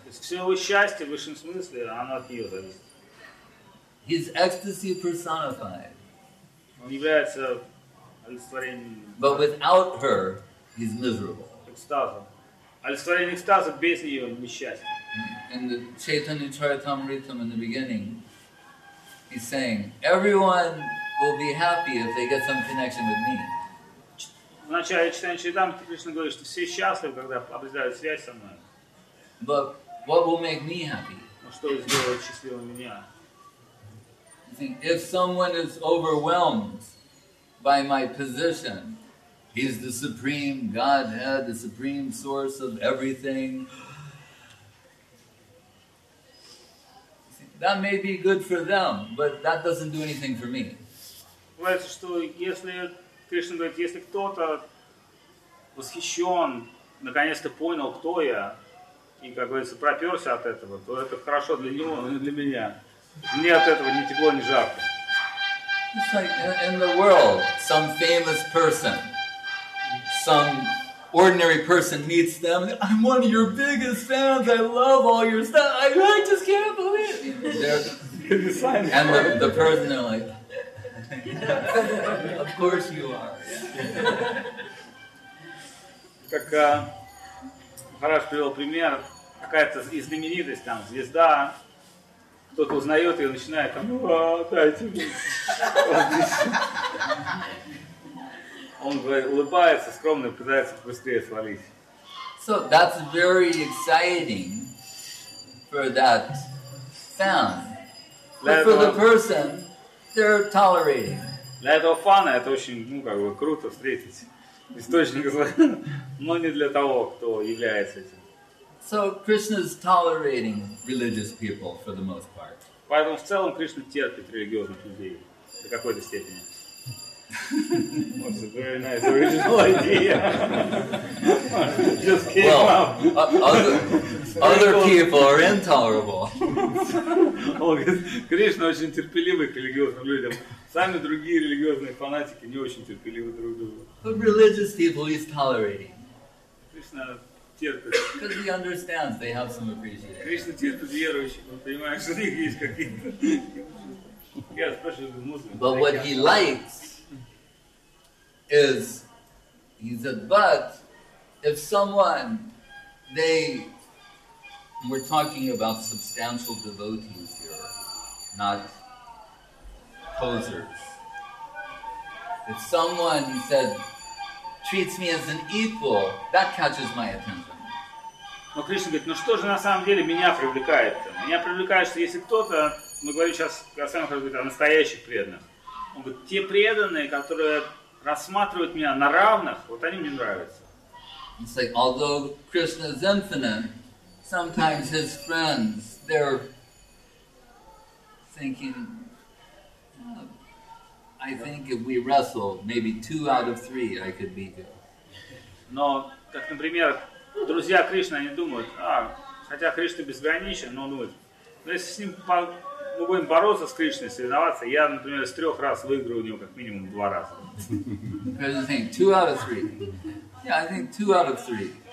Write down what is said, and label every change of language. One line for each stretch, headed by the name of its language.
Russian: Все его счастье в высшем смысле, оно от нее зависит.
English: His ecstasy personified.
Russian: Он является олицетворением.
English: But without her, he's miserable.
Russian: Экстазом. Олицетворение экстаза без нее несчастье.
English: In the Chaitanya Charitamritam in the beginning, he's saying, everyone will be happy if they get some connection with me.
Russian: В начале Chaitanya Charitamrita Кришна говорит, что все счастливы, когда обретают связь со мной.
English: But what will make me happy?
Russian: Но что сделает счастливым меня?
English: He's saying, if someone is overwhelmed by my position, he's the supreme Godhead, the supreme source of everything. That may be good for them, but that doesn't do anything for me.
Russian: Знаете, что если Кришна говорит, если кто-то восхищен, наконец-то понял, кто я, и, как говорится, проперся от этого, то это хорошо для него, но не для меня. Мне от этого ни тепло, ни жарко.
English: It's like in the world, some famous person, some ordinary person meets them, I'm one of your biggest fans, I love all your stuff, I just can't believe it. And the person, they're like, of course you are.
Russian: Как Хараш привел пример, какая-то знаменитость, там, звезда, кто-то узнает ее, начинает там, дайте мне. Он улыбается скромно и пытается быстрее свалить.
English: So that's very exciting for that fan. But for the person, they're tolerating.
Russian: Для этого фана это очень, ну, как бы, круто встретить источник зла, но не для того, кто является этим.
English: So Krishna's tolerating religious people for the most part.
Russian: Поэтому в целом Кришна терпит религиозных людей до какой-то степени.
English: That's a very nice original idea. Just came well, up. Other people are intolerable.
Russian: Кришна очень терпеливый к религиозным людям. Сами другие религиозные фанатики не очень терпеливы друг другу.
English: But religious people is tolerating.
Russian: Кришна терпит.
English: Because he understands they have some appreciation.
Russian: Кришна терпит верующих. Он понимает, что у них есть какие-то... Я спрашиваю, муслим.
English: But what he likes... is, he said, but if someone, we're talking about substantial devotees here, not posers. If someone, he said, treats me as an equal, that catches my attention.
Russian: Но Кришна говорит, ну что же на самом деле меня привлекает? Меня привлекает, что если кто-то, мы говорим сейчас о самых настоящих преданных, он говорит, те преданные, которые рассматривать меня на равных, вот они мне нравятся.
English: It's like, although Krishna is infinite, sometimes his friends, they're thinking, I think if we wrestle, maybe 2 out of 3 I could beat him.
Russian: Но, как, например, друзья Кришны, они думают, хотя Кришна безграничен, но он думает, но если с ним мы будем бороться с Кришной, соревноваться, я, например, с 3 раз выиграю у него как минимум 2 раза.
English: Because I think 2 out of 3. Yeah, I think 2 out of 3.